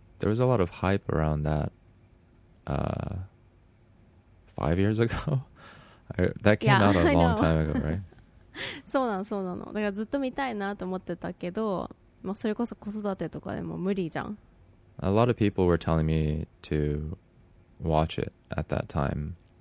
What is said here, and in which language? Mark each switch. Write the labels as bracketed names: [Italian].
[English] There was a lot of hype around that. 5 years ago That came out a long time ago, right? [Japanese] そうなのそうなの。だからずっと見たいなと思ってたけど、まあ、それこそ子育てとかでも無理じゃん。 [English] A lot of people were telling me to watch it at that time.